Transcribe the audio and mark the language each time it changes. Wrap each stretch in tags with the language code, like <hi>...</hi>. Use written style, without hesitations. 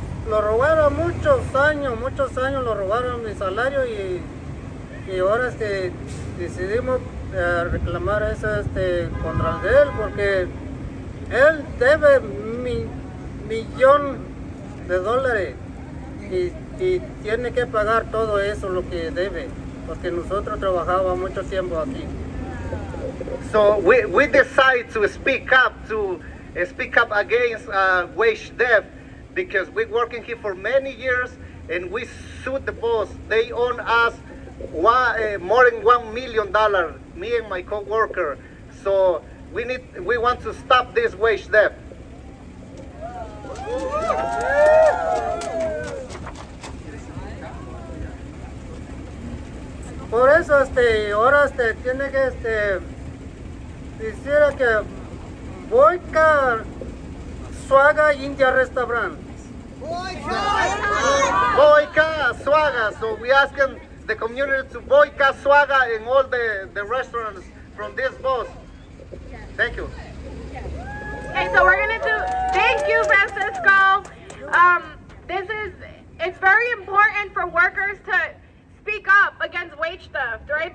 <es>Lo robaron muchos años, lo robaron mi salario y ahora decidimos reclamar eso contra él porque él debe millón de dólares y tiene que pagar todo eso lo que debe porque nosotros trabajamos mucho tiempo aquí.</es> <en>So we decide to speak up against wage debt because we're working here for many years and we sued the boss. They own us more than $1 million, me and my co-worker. So we want to stop this wage debt.</en> <es>Por eso ahora tiene que decir que</es> <en>boycott</en> <es>Swagat India Restaurant.</es> <en>Boycott! Swagat. So we asking the community to boycott Swagat and all the restaurants from this boss. Thank you. Okay, so we're gonna do, thank you, Francisco. This is, it's very important for workers to speak up against wage theft, right?</en>